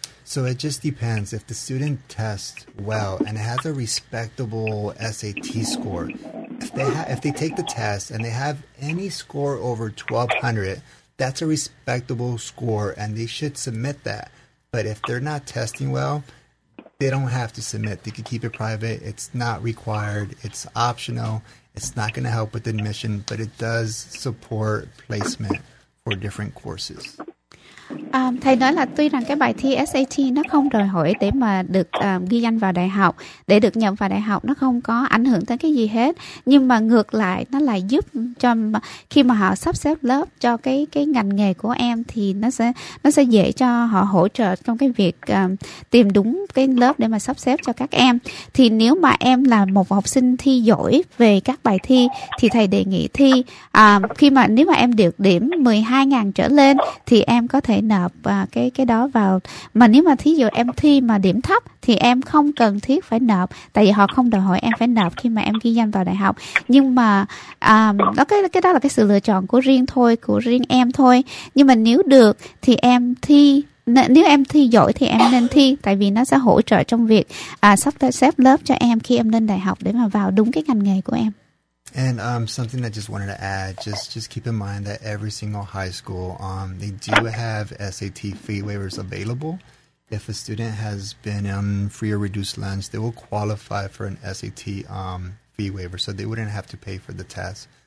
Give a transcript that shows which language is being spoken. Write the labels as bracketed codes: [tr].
[en] So it just depends. If the student tests well and has a respectable SAT score, if they take the test and they have any score over 1200, that's a respectable score and they should submit that. But if they're not testing well, they don't have to submit. They can keep it private. It's not required. It's optional. It's not going to help with admission, but it does support placement for different courses. [vi] Thầy nói là tuy rằng cái bài thi SAT nó không đòi hỏi để mà được ghi danh vào đại học, để được nhận vào đại học nó không có ảnh hưởng tới cái gì hết. Nhưng mà ngược lại nó lại giúp cho khi mà họ sắp xếp lớp cho cái ngành nghề của em thì nó sẽ dễ cho họ hỗ trợ trong cái việc tìm đúng cái lớp để mà sắp xếp cho các em. Thì nếu mà em là một học sinh thi giỏi về các bài thi thì thầy đề nghị thi khi mà nếu mà em được điểm 12.000 trở lên thì em có thể nộp cái đó vào. Mà nếu mà thí dụ em thi mà điểm thấp thì em không cần thiết phải nộp, tại vì họ không đòi hỏi em phải nộp khi mà em ghi danh vào đại học. Nhưng mà cái đó là cái sự lựa chọn của riêng thôi, của riêng em thôi. Nhưng mà nếu được thì em thi, nếu em thi giỏi thì em nên thi, tại vì nó sẽ hỗ trợ trong việc sắp xếp lớp cho em khi em lên đại học để mà vào đúng cái ngành nghề của em. [en] And something I just wanted to add, just keep in mind that every single high school, they do have SAT fee waivers available. If a student has been on free or reduced lunch, they will qualify for an SAT fee waiver, so they wouldn't have to pay for the test.